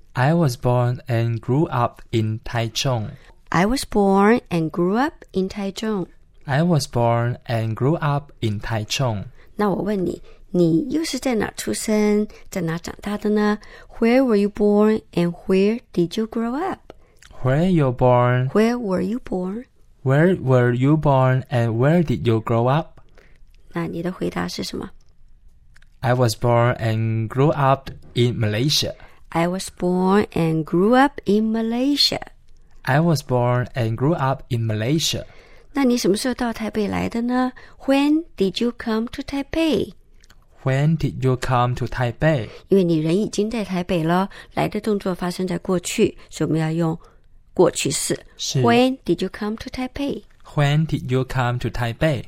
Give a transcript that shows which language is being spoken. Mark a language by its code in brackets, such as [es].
[en] I was born and grew up in Taichung. I was born and grew up in Taichung. I was born and grew up in Taichung. [zh] 那我问你，你又是在哪出生，在哪长大的呢？ [en] Where were you born and where did you grow up? Where you born? Where were you born? Where were you born and where did you grow up? [zh] 那你的回答是什么？ [en] I was born and grew up in Malaysia. I was born and grew up in Malaysia. I was born and grew up in Malaysia. [zh] 那你什么时候到台北来的呢？ [en] When did you come to Taipei? When did you come to Taipei? [zh] 因为你人已经在台北了，来的动作发生在过去，所以我们要用过去式。是。 [en] When did you come to Taipei? When did you come to Taipei?